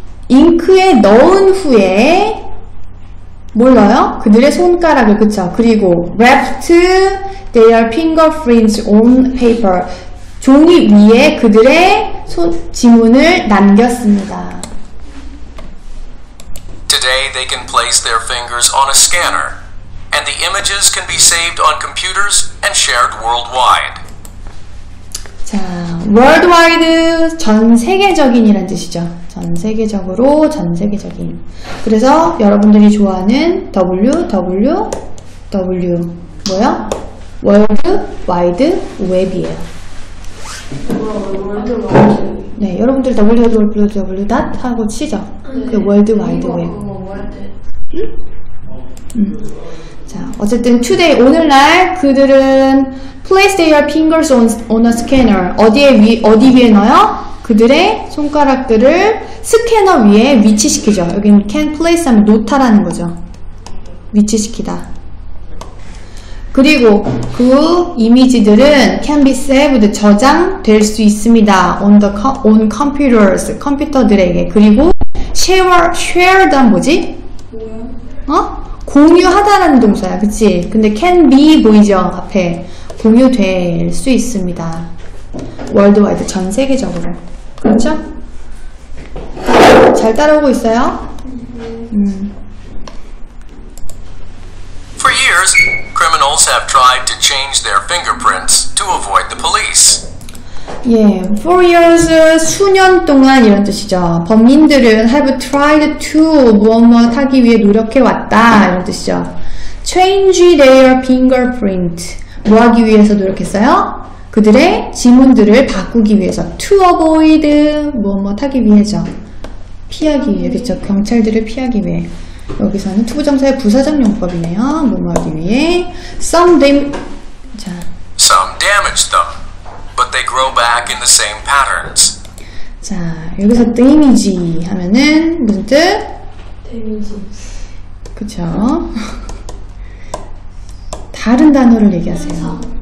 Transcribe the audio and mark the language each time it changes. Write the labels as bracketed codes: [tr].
[ko] ink에 넣은 후에 뭘 넣어요? 그들의 손가락을, 그쵸? 그리고 wrapped their fingerprints on paper. 종이 위에 그들의 지문을 남겼습니다. [en] Today they can place their fingers on a scanner and the images can be saved on computers and shared worldwide. [ko] 자, worldwide 전 세계적인이란 뜻이죠. 전 세계적으로, 전 세계적인. 그래서 여러분들이 좋아하는 www 뭐요? [en] World Wide Web이에요. [ko] 네, 여러분들 www. 하고 치죠. [en] 그 World Wide Web. 자, 어쨌든 today 오늘날 그들은 place their fingers on a scanner. [ko] 어디 위에 넣어요? 그들의 손가락들을 스캐너 위에 위치시키죠. 여긴 can place 하면 놓다라는 거죠. 위치시키다. 그리고 그 이미지들은 캔비스에 모두 저장될 수 있습니다. [en] On the on computers, 컴퓨터들에게. [ko] 그리고 share 뭐지? 뭐야? 어? 공유하다라는 동사야, 그치? 근데 can be 보이죠? 앞에 공유될 수 있습니다. Worldwide, 전 세계적으로. 그렇죠? 잘 따라오고 있어요? [en] For years, criminals have tried to change their fingerprints to avoid the police. [ko] Yeah, for years, 수년 동안 이런 뜻이죠. 범인들은 have tried to 무엇무엇 하기 위해 노력해왔다 이런 뜻이죠. Change their fingerprint 뭐하기 위해서 노력했어요? 그들의 지문들을 바꾸기 위해서 to avoid 무엇무엇 하기 위해서 피하기 위해 그렇죠. 경찰들을 피하기 위해. 여기서는 투부정사의 부사적 용법이네요. 뭐뭐하기 위해 some [en] some damage them, but they grow back in the same patterns. [ko] 자 여기서 damage 하면은 무슨 뜻? [en] damage [ko] 그쵸? 다른 단어를 얘기하세요.